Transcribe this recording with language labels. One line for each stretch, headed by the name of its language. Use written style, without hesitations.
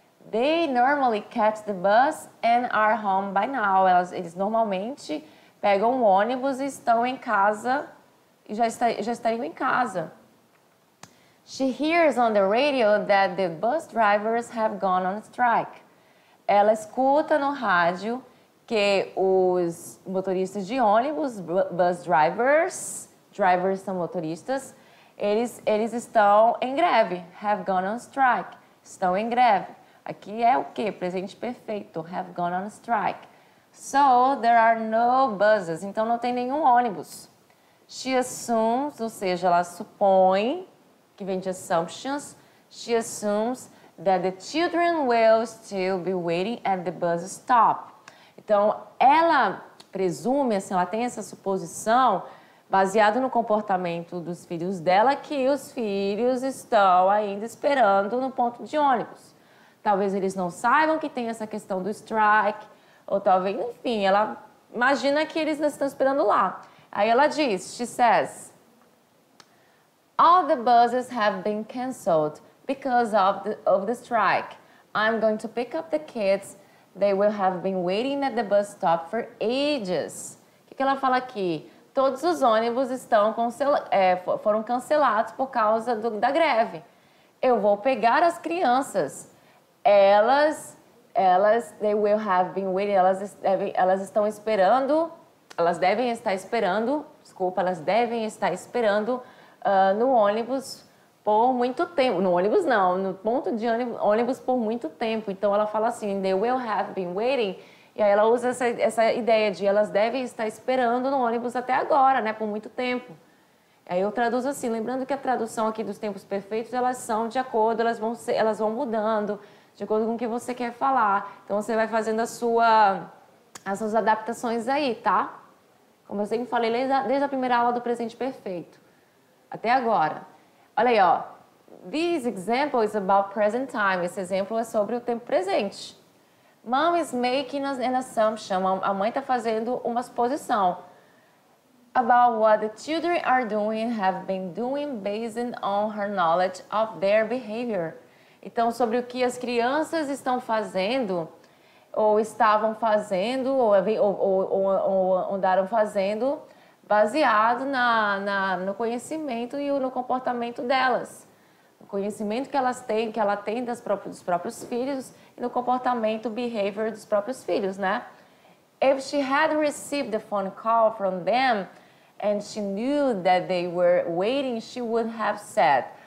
English: They normally catch the bus and are home by now.
Portuguese: Eles normalmente pegam o ônibus e estão em casa e já estariam em casa.
English: She hears on the radio that the bus drivers have gone on strike.
Portuguese: Ela escuta no rádio que os motoristas de ônibus,
English: bus drivers, drivers
Portuguese: são motoristas, eles estão em greve.
English: Have gone on strike.
Portuguese: Estão em greve. Aqui é o quê? Presente perfeito.
English: Have gone on strike. So, there are no buses.
Portuguese: Então, não tem nenhum ônibus.
English: She assumes,
Portuguese: ou seja, ela supõe, que vem de
English: assumptions, she assumes that the children will still be waiting at the bus stop.
Portuguese: Então, ela presume, assim, ela tem essa suposição, baseado no comportamento dos filhos dela, que os filhos estão ainda esperando no ponto de ônibus. Talvez eles não saibam que tem essa questão do strike, ou talvez, enfim, ela imagina que eles estão esperando lá. Aí ela diz,
English: she says, all the buses have been canceled because of the strike. I'm going to pick up the kids. They will have been waiting at the bus stop for ages.
Portuguese: O que ela fala aqui? Todos os ônibus estão foram cancelados por causa da greve. Eu vou pegar as crianças. Elas devem estar esperando no ônibus por muito tempo. No ônibus não, no ponto de ônibus por muito tempo. Então ela fala assim,
English: they will have been waiting.
Portuguese: E aí ela usa essa ideia de elas devem estar esperando no ônibus até agora, né, por muito tempo. Aí eu traduzo assim, lembrando que a tradução aqui dos tempos perfeitos, elas são de acordo, elas vão mudando de acordo com o que você quer falar. Então você vai fazendo as suas adaptações aí, tá? Como eu sempre falei, desde a primeira aula do presente perfeito, até agora. Olha aí, ó.
English: This example is about present time.
Portuguese: Esse exemplo é sobre o tempo presente.
English: Mom is making an assumption.
Portuguese: A mãe está fazendo uma suposição.
English: About what the children are doing and have been doing based on her knowledge of their behavior.
Portuguese: Então, sobre o que as crianças estão fazendo, ou estavam fazendo, ou andaram fazendo, baseado no conhecimento e no comportamento delas. O conhecimento que elas têm, que ela tem dos próprios filhos, e no comportamento, behavior dos próprios filhos, né?
English: If she had received a phone call from them, and she knew that they were waiting, she would have said.